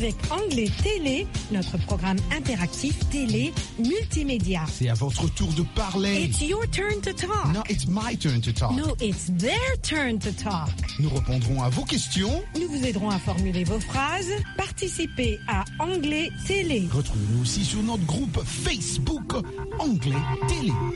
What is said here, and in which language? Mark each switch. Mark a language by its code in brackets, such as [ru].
[fr] Anglais Télé, notre programme interactif télé multimédia. C'est à votre tour de parler. [en] It's your turn to talk. No, it's my turn to talk. No, it's their turn to talk. [fr] Nous répondrons à vos questions. Nous vous aiderons à formuler vos phrases. Participez à Anglais Télé. Retrouvez-nous aussi sur notre groupe Facebook Anglais Télé.